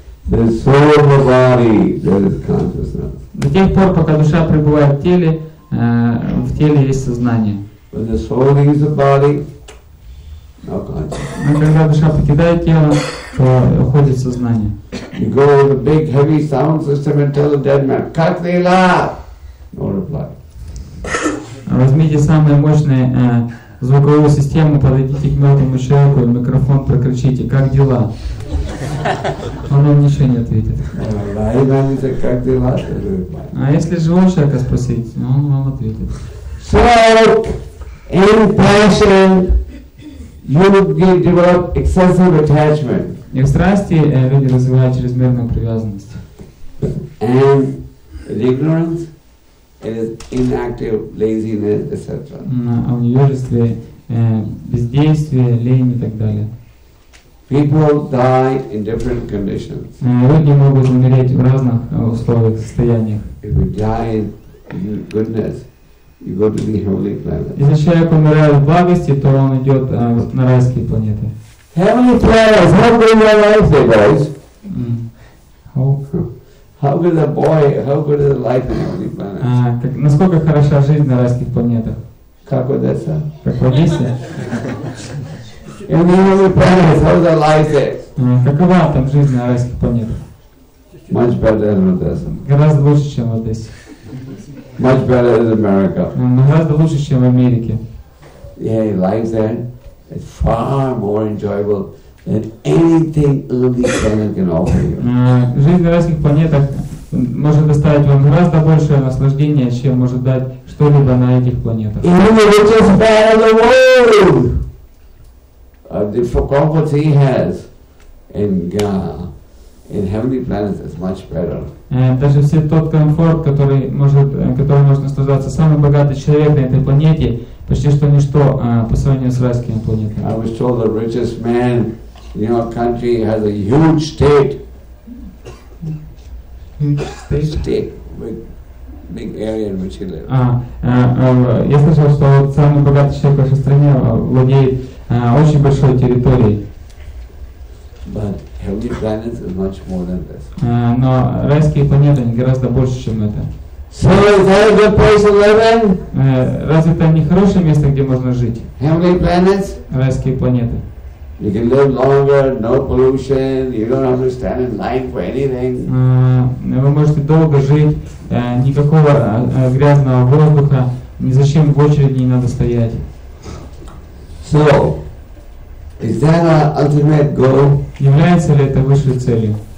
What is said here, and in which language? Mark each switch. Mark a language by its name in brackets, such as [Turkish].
[English] The soul is the soul of the body, that is consciousness. [Russian] До тех пор, пока душа пребывает в теле есть сознание. [English] When the soul leaves the body, no consciousness. [Russian] Но когда душа покидает тело, то уходит сознание. [English] You go with a big heavy sound system and tell the dead man, cut the alarm. No reply. [Russian] Возьмите самые мощные звуковую систему, подойдите к мертвому человеку, микрофон прокричите, как дела? Он вам ничего не ответит. А если живого человека спросить, он вам ответит. [English] So, in passion, you develop excessive attachment. [Russian] И в страсти люди развивают чрезмерную привязанность. [English] And ignorance. It is inactive laziness, etc. [Russian] А в невежестве бездействие, лень и так далее. [English] People die in different conditions. [Russian] Люди могут умереть в разных условиях, состояниях. [English] If you die in goodness, you go to the heavenly planet. [Russian] Если человек умирает в благости, то он идет на райские планеты. [English] Heavenly planets, how good is life, they guys? How good is the life in heavenly planets? [Russian] Насколько хороша жизнь на райских планетах? Как Одесса? Как в Одессе? [English] In heavenly planets, how is the life there? [Russian] Какова там жизнь на райских планетах? [English] Much better than Odessa. [Russian] Гораздо лучше, чем в Одессе. [English] Much better than America. [Russian] Гораздо лучше, чем в Америке. [English] Yeah, life there is far more enjoyable than anything earthly planet can offer you. [Russian] Жизнь на райских планетах может доставить вам гораздо большее наслаждение, чем может дать что-либо на этих планетах. И мы [English] just bear the world of the difficulty he has in in heavenly planets is much better. [Russian] Даже все тот комфорт, который может наслаждаться самый богатый человек на этой планете, почти что ничто по сравнению с райскими планетами. [English] I was told the richest man in your country has a huge state. [Russian] Я слышал, что самый богатый человек в вашей стране владеет очень большой территорией. [English] But heavenly planets is much more than this. [Russian] Но райские планеты гораздо больше, чем это. [English] So is that a good place to live in? [Russian] Разве это не хорошее место, где можно жить? [English] Heavenly planets. [Russian] Райские планеты. [English] You can live longer, no pollution, you don't have to stand in line for anything. [Russian] Вы можете долго жить, никакого грязного воздуха, ни зачем в очереди не надо стоять. [English] So, is that our ultimate goal? [Russian] Является ли это высшей целью?